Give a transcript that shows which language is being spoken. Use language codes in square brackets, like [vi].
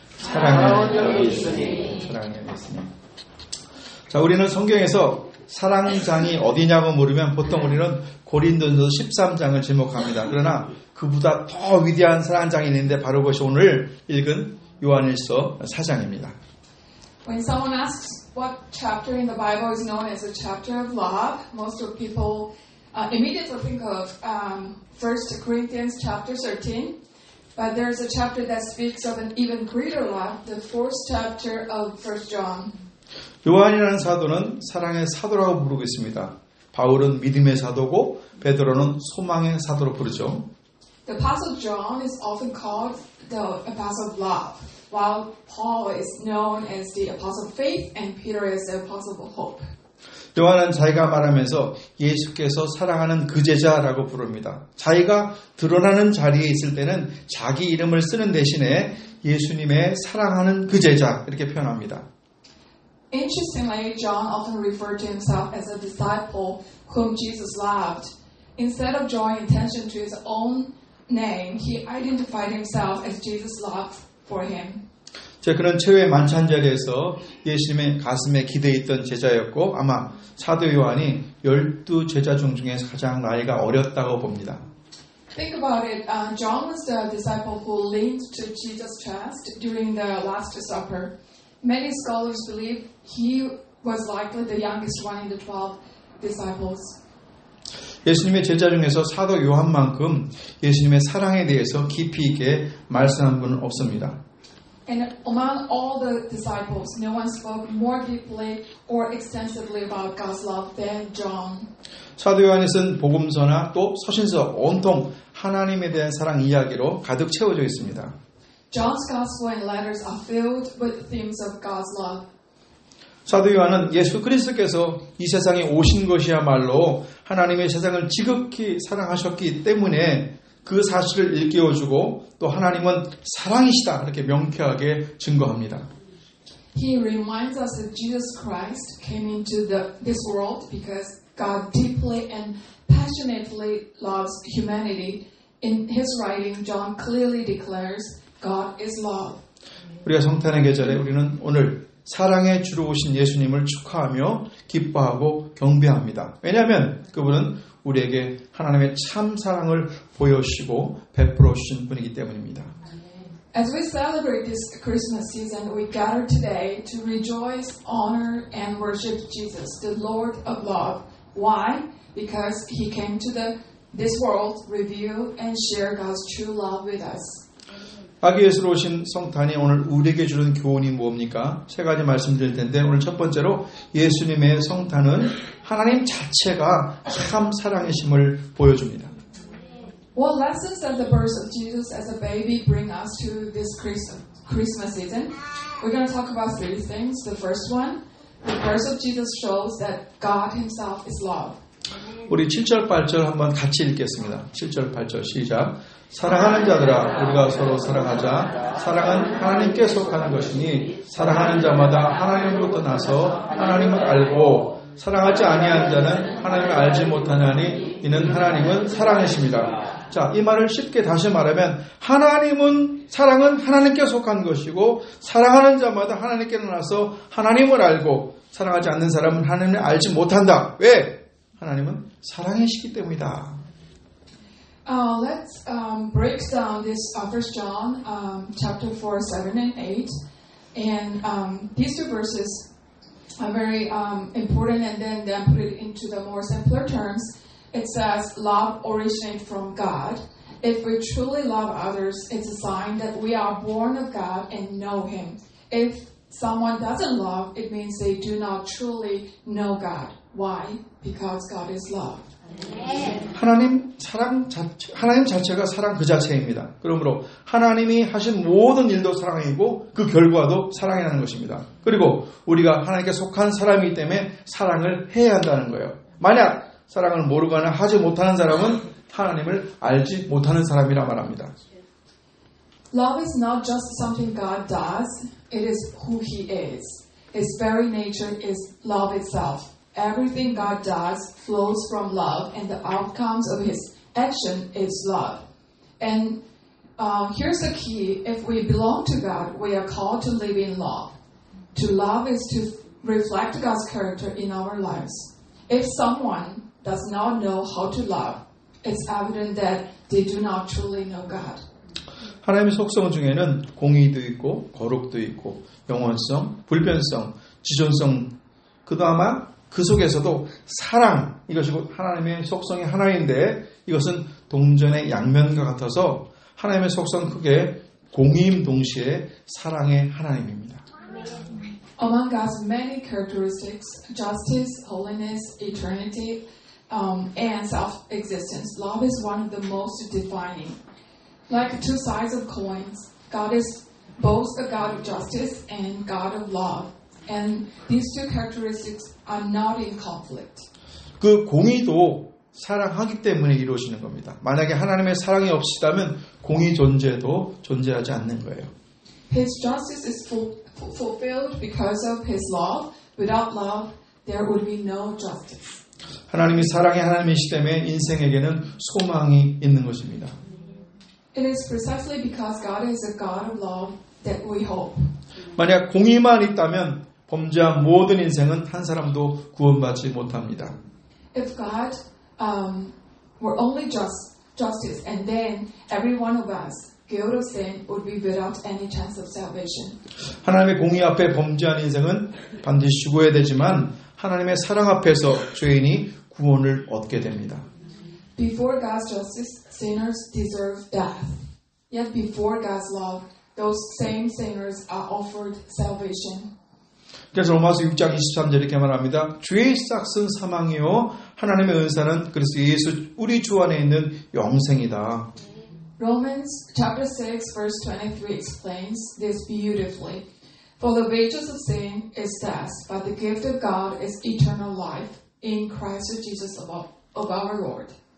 [ko] 사랑은 여기 있으니. 사랑은 여기 있으니. 자, 우리는 성경에서 사랑장이 어디냐고 물으면 보통 우리는 고린도전서 13장을 제목합니다. 그러나 그보다 더 위대한 사랑장이 있는데 바로 그것이 오늘 읽은 요한일서 4장입니다. [en] When someone asks what chapter in the Bible is known as a chapter of love, most of people immediately think of 1 Corinthians chapter 13. But there is a chapter that speaks of an even greater love, the fourth chapter of 1 John. [ko] 요한이라는 사도는 사랑의 사도라고 부르고 있습니다. 바울은 믿음의 사도고 베드로는 소망의 사도로 부르죠. [en] The Apostle John is often called the Apostle of Love, while Paul is known as the Apostle of Faith and Peter is the Apostle of Hope. [ko] 요한은 자기가 말하면서 예수께서 사랑하는 그 제자라고 부릅니다. 자기가 드러나는 자리에 있을 때는 자기 이름을 쓰는 대신에 예수님의 사랑하는 그 제자 이렇게 표현합니다. [en] Interestingly, John often referred to himself as a disciple whom Jesus loved. Instead of drawing attention to his own name, he identified himself as Jesus' love for him. [ko] 그는 최후의 만찬 자리에서 예수님의 가슴에 기대있던 제자였고 아마 사도 요한이 열두 제자 중에서 가장 나이가 어렸다고 봅니다. [en] Think about it. John was the disciple who leaned to Jesus' chest during the Last Supper. Many scholars believe he was likely the youngest one in the 12 disciples. [ko] 예수님의 제자 중에서 사도 요한만큼 예수님의 사랑에 대해서 깊이 있게 말씀한 분은 없습니다. [en] And among all the disciples, no one spoke more deeply or extensively about God's love than John. [ko] 사도 요한은 복음서나 또 서신서 온통 하나님에 대한 사랑 이야기로 가득 채워져 있습니다. [en] John's gospel and letters are filled with themes of God's love. [ko] 사도 요한은 예수 그리스도께서 이 세상에 오신 것이야말로 하나님의 세상을 지극히 사랑하셨기 때문에 그 사실을 일깨워주고 또 하나님은 사랑이시다 이렇게 명쾌하게 증거합니다. [en] He reminds us that Jesus Christ came into this world because God deeply and passionately loves humanity. In his writing, John clearly declares God is love. [ko] 우리가 성탄의 계절에 우리는 오늘 사랑의 주로 오신 예수님을 축하하며 기뻐하고 경배합니다. 왜냐하면 그분은 우리에게 하나님의 참 사랑을 보여주시고 베풀어 주신 분이기 때문입니다. [en] As we celebrate this Christmas season, we gather today to rejoice, honor, and worship Jesus, the Lord of love. Why? Because he came to this world, reveal and share God's true love with us. [ko] 아기 예수로 오신 성탄이 오늘 우리에게 주는 교훈이 무엇입니까? 세 가지 말씀드릴 텐데 오늘 첫 번째로 예수님의 성탄은 하나님 자체가 참 사랑이심을 보여줍니다. [en] What lessons does the birth of Jesus as a baby bring us to this Christmas season? We're going to talk about three things. The first one, the birth of Jesus shows that God himself is love. [ko] 우리 7절, 8절 한번 같이 읽겠습니다. 7절, 8절 시작. 사랑하는 자들아 우리가 서로 사랑하자. 사랑은 하나님께 속하는 것이니 사랑하는 자마다 하나님으로부터 나서 하나님을 알고 사랑하지 아니한 자는 하나님을 알지 못하나니 이는 하나님은 사랑이십니다. 자, 이 말을 쉽게 다시 말하면 하나님은 사랑은 하나님께 속한 것이고 사랑하는 자마다 하나님께 나서 하나님을 알고 사랑하지 않는 사람은 하나님을 알지 못한다. 왜? 하나님은 사랑이시기 때문이다. [en] Let's break down this First John chapter 4, 7 and 8. And these two verses are very important and then put it into the more simpler terms. It says, love originates from God. If we truly love others, it's a sign that we are born of God and know him. If someone doesn't love, it means they do not truly know God. Why? Because God is love. [ko] 하나님 사랑 자체, 하나님 자체가 사랑 그 자체입니다. 그러므로 하나님이 하신 모든 일도 사랑이고 그 결과도 사랑이라는 것입니다. 그리고 우리가 하나님께 속한 사람이기 때문에 사랑을 해야 한다는 거예요. 만약 사랑을 모르거나 하지 못하는 사람은 하나님을 알지 못하는 사람이라 말합니다. [en] Love is not just something God does. It is who he is. His very nature is love itself. Everything God does flows from love, and the outcomes of his action is love. And here's the key. If we belong to God, we are called to live in love. To love is to reflect God's character in our lives. If someone does not know how to love, it's evident that they do not truly know God. [ko] 하나님의 속성 중에는 공의도 있고 거룩도 있고 영원성, 불변성, 지존성, 그다마 그 속에서도 사랑, 이것이 하나님의 속성이 하나인데 이것은 동전의 양면과 같아서 하나님의 속성 크게 공의임 동시에 사랑의 하나님입니다. [en] Among God's many characteristics, justice, holiness, eternity, and self-existence, love is one of the most defining. Like two sides of coins, God is both the God of justice and God of love. And these two characteristics are not in conflict. [ko] 그 공의도 사랑하기 때문에 이루어지는 겁니다. 만약에 하나님의 사랑이 없었다면 공의 존재도 존재하지 않는 거예요. [en] His justice is fulfilled because of his love. Without love, there would be no justice. [ko] 하나님이 사랑의 하나님이시기 때문에 인생에게는 소망이 있는 것입니다. [en] It is precisely because God is a God of love that we hope. [ko] 만약 공의만 있다면 범죄한 모든 인생은 한 사람도 구원받지 못합니다. [en] If God were only just, justice, and then every one of us, guilt of sin, would be without any chance of salvation. [ko] 하나님의 공의 앞에 범죄한 인생은 반드시 죽어야 되지만 하나님의 사랑 앞에서 죄인이 구원을 얻게 됩니다. [en] Before God's justice, sinners deserve death. Yet before God's love, those same sinners are offered salvation. [ko] 그래서 로마서 6장 23절 이렇게 말합니다. 죄의 삯은 사망이요 하나님의 은사는 그리스도 예수 우리 주 안에 있는 영생이다. [en] Romans chapter 6 verse 23 explains this beautifully. For the wages of sin is death, but the gift of God is eternal life in Christ Jesus of our Lord.